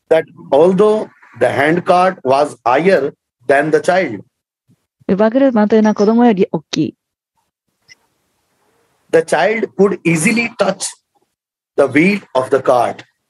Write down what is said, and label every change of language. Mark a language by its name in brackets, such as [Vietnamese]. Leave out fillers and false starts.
[English] That although the handcart was higher than the child. [Japanese] 馬車というのは子供より大きい。 [English] The child could easily touch the wheel of the cart.